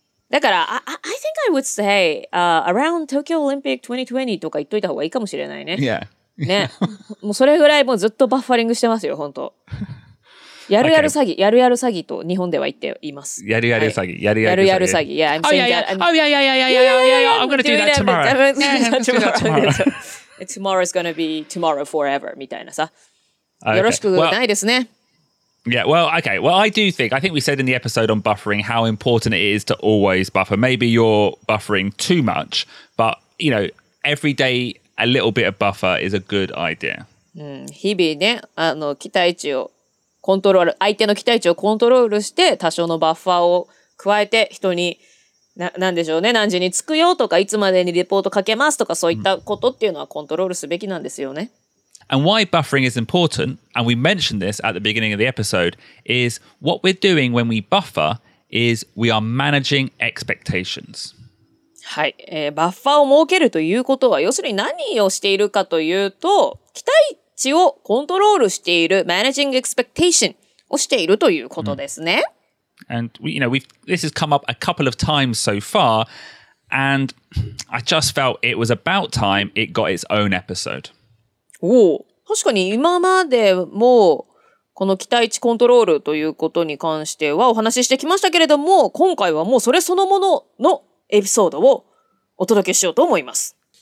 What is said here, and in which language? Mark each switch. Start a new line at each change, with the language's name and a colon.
Japanese: だから、
English: I think I would say, around Tokyo Olympic 2020
Japanese: とか言っといた方がいいかもしれないね。
English: Yeah.
Japanese: ね、もうそれぐらいもうずっとバッファリングしてますよ、本当。やるやる詐欺、やるやる詐欺と日本では言っています。やるやる詐欺、やるやる詐欺。
English: Yeah, I'm saying that. Oh, yeah, yeah, yeah, yeah, yeah, yeah, yeah, yeah. I'm gonna do that tomorrow. Definitely do that tomorrow. Tomorrow's gonna be tomorrow forever,
Japanese: みたいなさ。よろしくないですね。
English: Yeah, well, okay. Well, I think we said in the episode on buffering how important it is to always buffer. Maybe you're buffering too much, but, you know, every day a little bit of buffer is a good idea.
Japanese: 日々ね、期待値をコントロール、相手の期待値をコントロールして多少のバッファーを加えて人に何でしょうね、何時に着くよとかいつまでにレポートかけますとかそういったことっていうのはコントロールすべきなんですよね。
English: And why buffering is important, and we mentioned this at the beginning of the episode, is what we're doing when we buffer is we are managing expectations.
Japanese: はい、バッファーを設けるということは要するに何をしているかというと期待値をコントロールしている、managing expectation をしているということですね。
English: And we, you know, this has come up a couple of times so far, and I just felt it was about time it got its own episode.
Japanese: おお、確かに今までもこの期待値コントロールということに関してはお話ししてきましたけれども、今回はもうそれそのもののエピソードをお届けしようと思います。